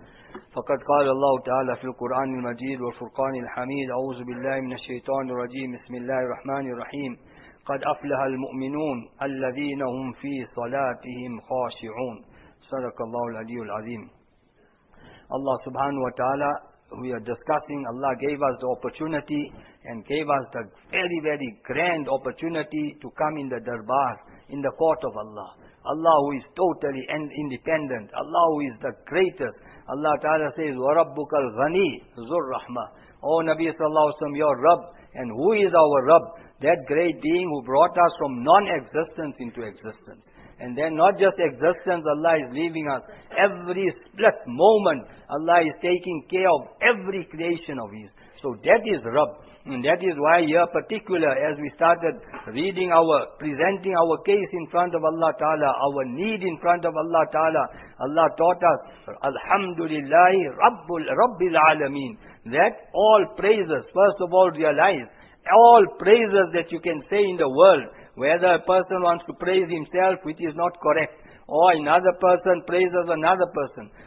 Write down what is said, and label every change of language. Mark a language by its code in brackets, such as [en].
[ar] فقد قال الله تعالى في القرآن المجيد والفرقان الحميد أعوذ بالله من الشيطان الرجيم بسم الله الرحمن الرحيم قد أفلح المؤمنون الذين هم في صلاتهم خاشعون صدق الله العلي العظيم. [en] Allah subhanahu wa ta'ala, we are discussing, Allah gave us the opportunity and gave us the very, very grand opportunity to come in the darbar, in the court of Allah. Allah who is totally and independent, Allah who is the greatest. Allah Ta'ala says, [ar] وَرَبُّكَ الْغَنِيُّ ذُو الرَّحْمَةِ. [en] O Nabi Sallallahu Alaihi Wasallam, your Rabb. And who is our Rabb? That great being who brought us from non-existence into existence. And then not just existence, Allah is leaving us. Every split moment, Allah is taking care of every creation of His. So that is Rabb. And that is why here particular, as we started reading our, presenting our case in front of Allah Ta'ala, our need in front of Allah Ta'ala, Allah taught us, [ar] Alhamdulillahi Rabbil Alameen, [en] that all praises, first of all realize, all praises that you can say in the world, whether a person wants to praise himself, which is not correct, or another person praises another person.